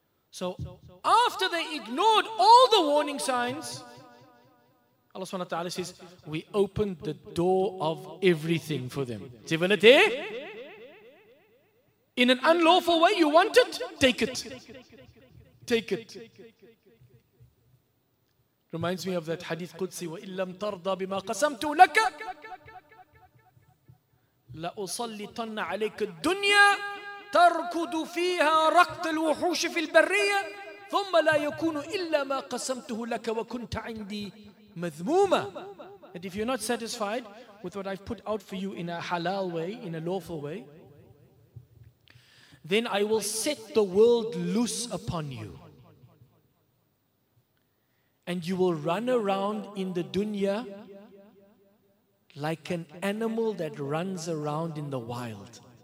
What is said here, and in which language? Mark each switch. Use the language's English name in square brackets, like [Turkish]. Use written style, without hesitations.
[English] So after they ignored all the warning signs, Allah subhanahu wa ta'ala says, we opened the door of everything for them. In an unlawful way, you want it? Take it. Take it. Reminds me of that hadith Qudsi, [Arabic] وَإِلَّمْ تَرْضَى بِمَا قَسَمْتُ لَكَ لَأُصَلِّتَنَّ عَلَيْكَ الدُّنْيَا تَرْكُدُ فِيهَا رَقْتَ الْوُحُوشِ فِي الْبَرِّيَّةِ ثُمَّ لَا يَكُونُ إِلَّا مَا قَسَمْتُهُ لَكَ وَكُنْتَ عِنْدِي مَذْمُومًا. [English] And if you're not satisfied with what I've put out for you in a halal way, in a lawful way, then I will set the world loose upon you. And you will run around in the dunya like an animal that runs around in the wild.